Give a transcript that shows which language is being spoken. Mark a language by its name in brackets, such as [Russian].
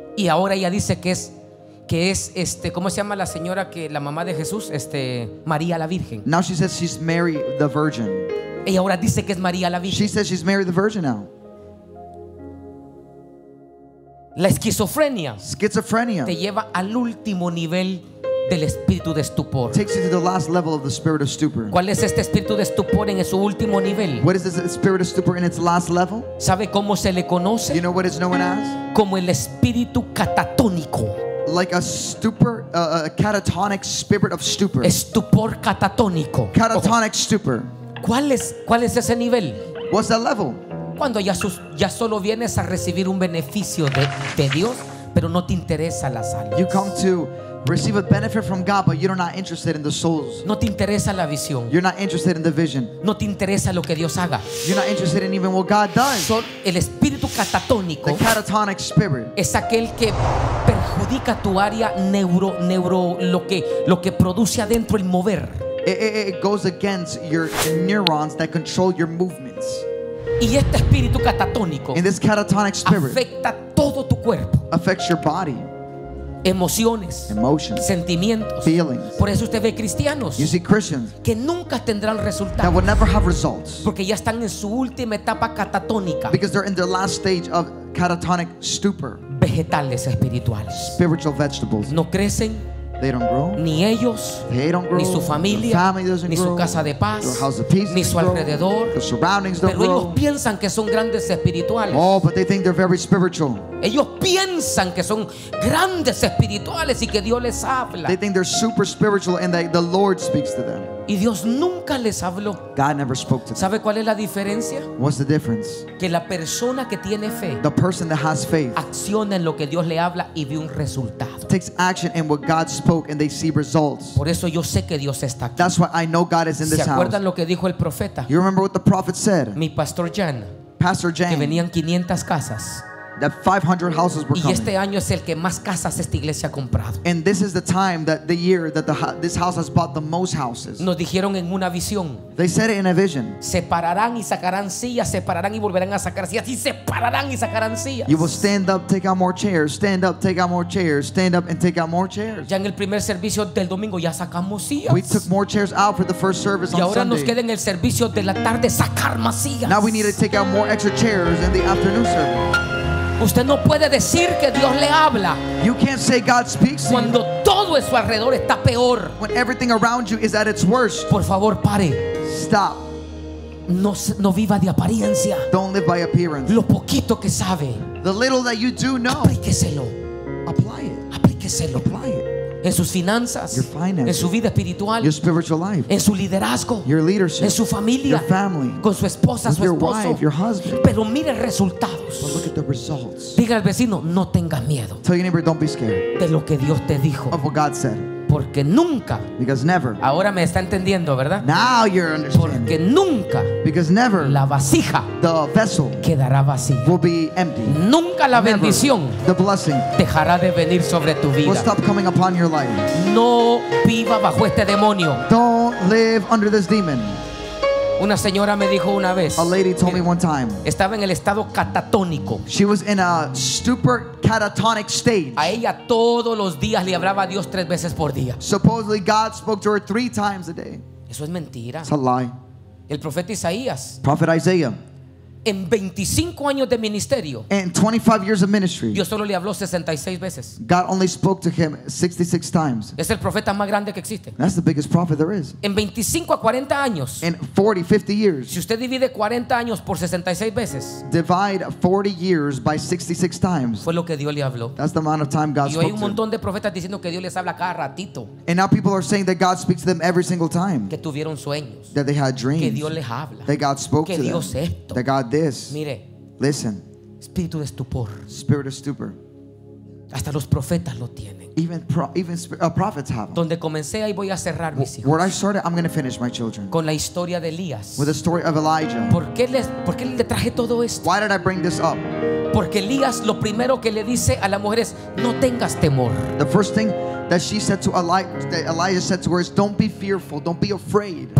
[Spanish] Y ahora ella dice que es este, ¿cómo se llama la señora que la mamá de Jesús? Este, María la Virgen. [English] Now she says she's Mary the Virgin. [Spanish] Y ahora dice que es María la Virgen. [English] She says she's Mary the Virgin now. [Spanish] La esquizofrenia. [English] Schizophrenia. [Spanish] Te lleva al último nivel del espíritu de estupor. [English] Takes you to the last level of the spirit of stupor. [Spanish] ¿Cuál es este espíritu de estupor en su último nivel? [English] What is this spirit of stupor in its last level? [Spanish] ¿Sabe cómo se le conoce? [English] You know what it's known as? [Spanish] Como el espíritu catatónico. [English] Like a stupor, a catatonic spirit of stupor. [Spanish] Estupor catatónico. [English] Catatonic stupor. [Spanish] ¿Cuál es ese nivel? [English] What's that level? [Spanish] Cuando ya solo vienes a recibir un beneficio de Dios, pero no te interesa las almas. [English] You come to receive a benefit from God, but you're not interested in the souls. [Spanish] No te interesa la visión. [English] You're not interested in the vision. [Spanish] No te interesa lo que Dios haga. [English] You're not interested in even what God does. [Spanish] So, el espíritu catatónico, [English] the catatonic spirit, [Spanish] es aquel que perjudica tu área neuro lo que produce adentro el mover. [English] It goes against your neurons that control your movements. [Spanish] Y este espíritu catatónico [English] in this catatonic spirit [Spanish] afecta todo tu cuerpo. [English] Affects your body. [Spanish] emociones, [English] emotions, [Spanish] sentimientos, [English] feelings. [Spanish] Por eso usted ve cristianos, [English] you see Christians, [Spanish] que nunca tendrán resultados, [English] that will never have results, [Spanish] porque ya están en su última etapa catatónica, [English] because they're in their last stage of catatonic stupor. [Spanish] Vegetales espirituales, [English] spiritual vegetables, [Spanish] no crecen. [English] They don't grow. [Spanish] Ni ellos, [English] they don't grow. [Spanish] Ni su familia, [English] their family doesn't [Spanish] ni [English] grow. [Spanish] Su casa de paz, [English] their house of peace [Spanish] ni su alrededor, [English] their surroundings don't [Spanish] pero ellos [English] grow. [Spanish] Piensan que son grandes espirituales. [English] Oh, but they think they're very spiritual. [Spanish] Ellos piensan que son grandes espirituales y que Dios les habla. [English] They think they're super spiritual and that the Lord speaks to them. [Spanish] Y Dios nunca les habló. [English] God never spoke to them. [Spanish] ¿Sabe cuál es la diferencia? [English] What's the difference? [Spanish] Que la persona que tiene fe, [English] the person that has faith, [Spanish] acciona en lo que Dios le habla y ve un resultado. [English] Takes action in what God spoke and they see results. [Spanish] Por eso yo sé que Dios está aquí. [English] That's why I know God is in this house. [Spanish] ¿Se acuerdan lo que dijo el profeta? [English] You remember what the prophet said? [Spanish] Mi pastor Jan. [English] Pastor Jan. [Spanish] Que venían 500 casas. [English] That 500 houses were [Spanish] y este [English] coming. [Spanish] Año es el que más casas esta iglesia ha comprado. [English] And this is the time that the year that the, this house has bought the most houses. [Spanish] Nos dijeron en una visión. [English] They said it in a vision. [Spanish] Separarán y sacarán sillas, separarán y volverán a sacar sillas, y separarán y sacarán sillas. [English] You will stand up, take out more chairs. Stand up, take out more chairs. Stand up and take out more chairs. [Spanish] Ya en el primer servicio del domingo ya sacamos sillas. [English] We took more chairs out for the first service on Sunday. [Spanish] Y ahora nos queda en el servicio de la tarde sacar más sillas. [English] Now we need to take out more extra chairs in the afternoon service. [Spanish] Usted no puede decir que Dios le habla. [English] You can't say God speaks. [Spanish] Cuando todo a su alrededor está peor. [English] When everything around you is at its worst. [Spanish] Por favor, pare. [English] Stop. [Spanish] No viva de apariencia. [English] Don't live by appearance. [Spanish] Lo poquito que sabe. [English] The little that you do know. [Spanish] Aplíqueselo. [English] Apply it. [Spanish] Aplíqueselo. [English] Apply it. [Spanish] En sus finanzas, [English] your finances, [Spanish] en su vida espiritual, [English] your spiritual life, [Spanish] en su liderazgo, [English] your leadership, [Spanish] en su familia, [English] your family, [Spanish] con su esposa, [English] with [Spanish] su esposo, [English] your wife, your husband. [Spanish] Pero mire resultados. [English] But look at the results. [Spanish] Diga al vecino, no tengas miedo. [English] Tell your neighbor, don't be scared. [Spanish] De lo que Dios te dijo. [English] Of what God said. [Spanish] Porque nunca. [English] Because never. [Spanish] Ahora me está entendiendo, ¿verdad? [English] Now you're understanding. [Spanish] Porque nunca. [English] Because never. [Spanish] La vasija. [English] The vessel. [Spanish] Quedará vacía. [English] Will be empty. [Spanish] Nunca la bendición. [English] Never, the blessing. [Spanish] Dejará de venir sobre tu vida. [English] Will stop coming upon your life. [Spanish] No viva bajo este demonio. [English] Don't live under this demon. [Spanish] Una señora me dijo una vez. [English] A lady told me one time. [Spanish] Estaba en el estado catatónico. [English] She was in a stupor catatonic state. [Spanish] A ella todos los días le hablaba a Dios tres veces por día. [English] Supposedly God spoke to her three times a day. [Spanish] Eso es mentira. [English] It's a lie. [Spanish] El profeta Isaías. [English] Prophet Isaiah. [Spanish] En 25 años de ministerio. [English] In 25 years of ministry. [Spanish] Dios solo le habló 66 veces. [English] God only spoke to him 66 times. [Spanish] Es el profeta más grande que existe. [English] That's the biggest prophet there is. [Spanish] En 25 a 40 años. [English] In 40, 50 years. [Spanish] Si usted divide 40 años por 66 veces. [English] Divide 40 years by 66 times. [Spanish] Fue lo que Dios le habló. [English] That's the amount of time God spoke to him. [Spanish] Y hay un montón de profetas diciendo que Dios les habla cada ratito. [English] And now people are saying that God speaks to them every single time. [Spanish] Que tuvieron sueños. [English] That they had dreams. [Spanish] Que Dios les habla. [English] That God spoke to them. [Spanish] Que Dios esto. [English] That God this. [Spanish] Mire, [English] listen. [Spanish] Espíritu de estupor. [English] Spirit of stupor. [Spanish] Hasta los profetas lo tienen. [English] Even prophets have them. [Spanish] Donde comencé ahí voy a cerrar mis hijos. [English] Where I started, I'm going to finish my children. [Spanish] Con la historia de Elías. [English] With the story of Elijah. [Spanish] ¿Por qué le traje todo esto? [English] Why did I bring this up? [Spanish] Porque Elías lo primero que le dice a la mujer es no tengas temor. [English] The first thing that she said to Elijah, that Elijah said to her is don't be fearful, don't be afraid.